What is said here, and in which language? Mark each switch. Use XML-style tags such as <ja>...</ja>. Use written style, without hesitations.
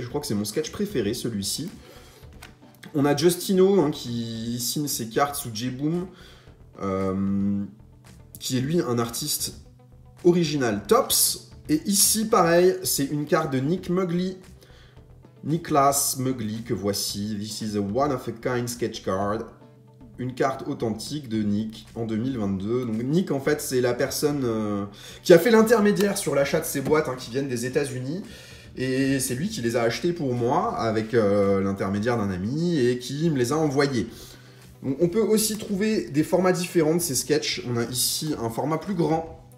<fr>Je crois que c'est mon sketch préféré, celui-ci. On a Justino, hein, qui signe ses cartes sous J-Boom, qui est lui un artiste original Topps. Et ici, pareil, c'est une carte de Nick Mugley. Niklas Mugley, que voici.</fr> <en>This is a one of a kind sketch card.</en> <fr>Une carte authentique de Nick en 2022. Donc Nick, en fait, c'est la personne qui a fait l'intermédiaire sur l'achat de ces boîtes, hein, qui viennent des États-Unis. Et c'est lui qui les a achetés pour moi, avec l'intermédiaire d'un ami, et qui me les a envoyés. Donc, on peut aussi trouver des formats différents de ces sketchs. On a ici un format plus grand.</fr>